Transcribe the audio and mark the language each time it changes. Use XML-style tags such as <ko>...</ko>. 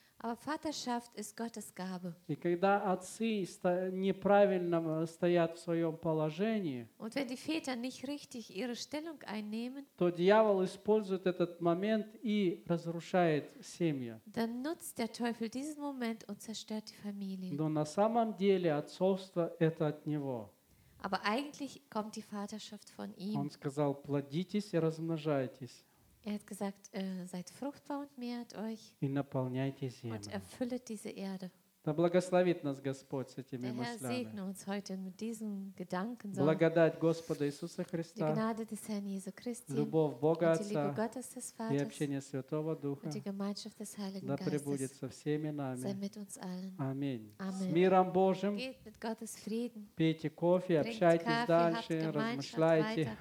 <de>Aber Vaterschaft ist Gottes Gabe.</de> <ru>И когда отцы неправильно стоят в своем положении,</ru> <de>und wenn die Väter nicht richtig ihre Stellung einnehmen,</de> <ru>то дьявол использует этот момент и разрушает семью.</ru> <de>Dann nutzt der Teufel diesen Moment und zerstört die Familie.</de> <ru>Но на самом деле отцовство это от него.</ru> <de>Aber eigentlich kommt die Vaterschaft von ihm.</de> <ru>Он сказал: «Плодитесь и размножайтесь».</ru> <de>Er hat gesagt, seid fruchtbar und mehrt euch und erfüllt diese Erde.</de> <ru>Да благословит нас Господь с этими мыслями.</ru> <de>Der Herr segne uns heute mit diesen Gedanken.</de> <ru>Благодать Господа Иисуса Христа,</ru> <de>die Gnade des Herrn Jesu Christi,</de> <ru>любовь Бога</ru> <de>und die Liebe Gottes des Vaters,</de> <ru>и общение Святого Духа,</ru> <de>und die Gemeinschaft des Heiligen Geistes,</de> <ru>да пребудет со всеми нами.</ru> <de>Sei mit uns allen.</de> <ru>Аминь.</ru> <de>Amen.</de> <ru>С миром Божьим.</ru> <de>Geht mit Gottes Frieden.</de> <ru>Пейте кофе, общайтесь дальше, размышляйте.</ru>